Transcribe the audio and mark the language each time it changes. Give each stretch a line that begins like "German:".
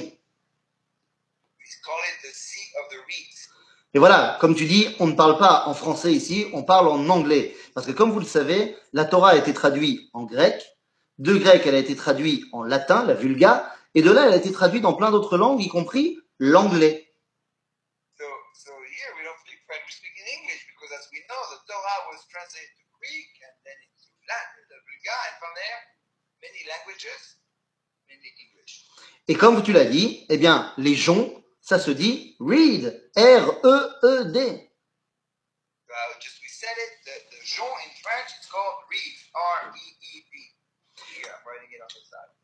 English: We call it the sea of the reeds.
French: Et voilà, comme tu dis, on ne parle pas en français ici, on parle en anglais. Parce que comme vous le savez, la Torah a été traduite en grec, de grec elle a été traduite en latin, la vulga, et de là elle a été traduite dans plein d'autres langues, y compris l'anglais.
English: So here we don't speak French, we speak in English, because as we know, the Torah was translated to Greek, and then into Latin, the vulga, and from there... Many languages, many English.
French: Et comme tu l'as dit, eh bien, les joncs, ça se dit reed, R-E-E-D.
English: Just we said it, the jonc in French is called reed, R-E-E-D. Here, I'm writing it on the side.